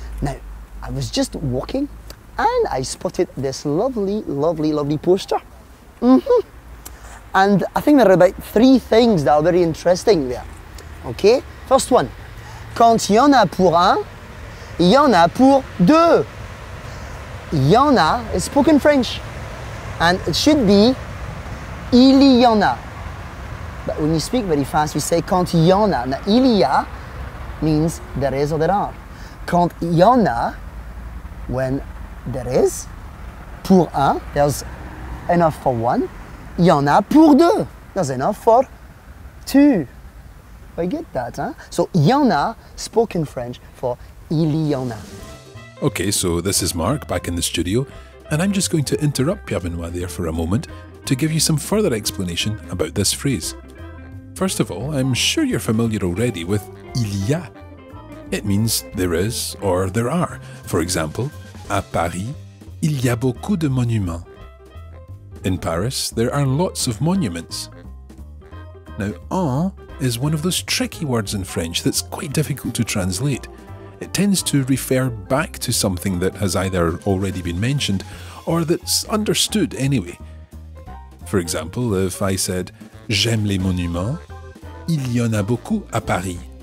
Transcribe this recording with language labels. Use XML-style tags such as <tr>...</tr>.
<en>Now, I was just walking and I spotted this lovely, lovely, lovely poster. And I think there are about three things that are very interesting there, okay? First one,</en> <fr>quand il y en a pour un, il y en a pour deux. Il y en a</fr> <en>is spoken French, and it should be</en> <fr>il y en a.</fr> <en>But when you speak very fast, we say</en> <fr>quand il y en a.</fr> <en>Now,</en> <fr>il y a</fr> <en>means there is or there are.</en> <fr>Quand il y en a,</fr> <en>when there is,</en> <fr>pour un,</fr> <en>there's enough for one.</en> <fr>Il y en a pour deux,</fr> <en>there's enough for two. We get that, huh? So,</en> <fr>il y en a,</fr> <en>spoken French for</en> <fr>il y en a.</fr> <en>Okay, so this is Mark back in the studio, and I'm just going to interrupt Pierre-Benoît there for a moment to give you some further explanation about this phrase. First of all, I'm sure you're familiar already with</en> <fr>il y a.</fr> <en>It means there is or there are. For example,</en> <fr>à Paris, il y a beaucoup de monuments.</fr> <en>In Paris, there are lots of monuments. Now, en is one of those tricky words in French that's quite difficult to translate. It tends to refer back to something that has either already been mentioned or that's understood anyway. For example, if I said,</en> <fr>j'aime les monuments, il y en a beaucoup à Paris.</fr>